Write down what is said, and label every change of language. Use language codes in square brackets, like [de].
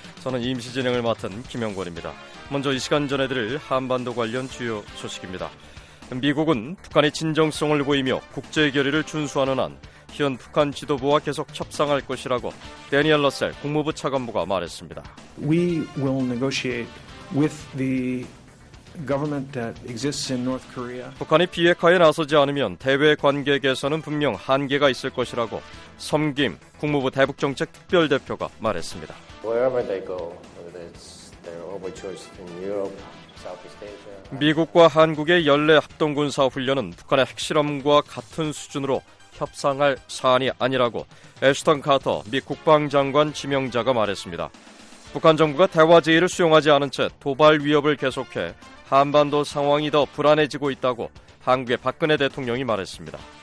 [ko] 저는 임시 진행을 맡은 김영권입니다. 먼저 이 시간 전해드릴 한반도 관련 주요 소식입니다. 미국은 북한의 진정성을 보이며 국제 결의를 준수하는 한 현 북한 지도부와 계속 협상할 것이라고 대니얼 러셀 국무부 차관보가 말했습니다. [en] We will negotiate with the government that exists in North Korea. [ko] 북한이 비핵화에 나서지 않으면 대외 관계 개선은 분명 한계가 있을 것이라고 섬김 국무부 대북정책 특별 대표가 말했습니다. [en] Wherever they go, whether it's their overtures in Europe, Southeast Asia. [ko] 미국과 한국의 연례 합동 군사 훈련은 북한의 핵실험과 같은 수준으로 협상할 사안이 아니라고 애슈턴 카터 미 국방장관 지명자가 말했습니다. 북한 정부가 대화 제의를 수용하지 않은 채 도발 위협을 계속해 한반도 상황이 더 불안해지고 있다고 한국의 박근혜 대통령이 말했습니다.